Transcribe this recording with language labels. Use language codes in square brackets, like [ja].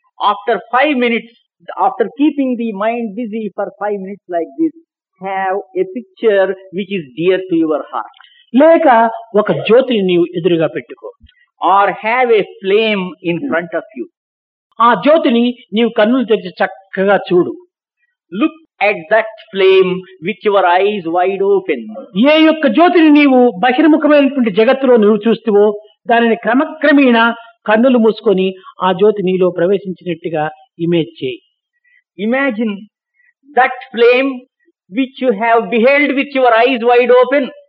[en] After 5 minutes, after keeping the mind busy for 5 minutes like this, have a picture which is dear to your heart. [te] లేక ఒక జ్యోతిని నీవు ఎదురుగా పెట్టుకో. [en] Or have a flame in front of you. [te] ఆ జ్యోతిని నీవు కన్నులు తెరిచి చక్కగా చూడు. [en] Look at that flame with your eyes wide open. [te] ఏ యొక్క జ్యోతిని నీవు బహిర్ముఖమైనటువంటి జగత్తులో నువ్వు చూస్తువో దానిని క్రమక్రమేణ కన్నులు మూసుకొని ఆ జ్యోతి నీలో ప్రవేశించినట్టుగా ఇమేజ్ చేయి. [en] Imagine that flame which you have beheld with your eyes wide open.